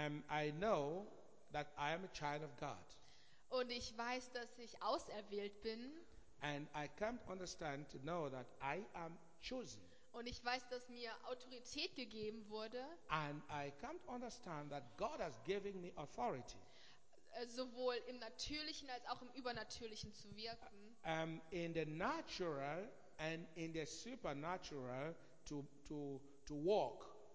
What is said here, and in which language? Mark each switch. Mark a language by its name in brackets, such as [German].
[English] I know that I am a child of God. [German] Und ich weiß, dass ich auserwählt bin. [English] And I come to understand to know that I am chosen. [German] Und ich weiß, dass mir Autorität gegeben wurde. [English] And I come to understand that God has given me authority. [German] Sowohl im Natürlichen als auch im Übernatürlichen zu wirken. [English] In the natural and in the supernatural to walk.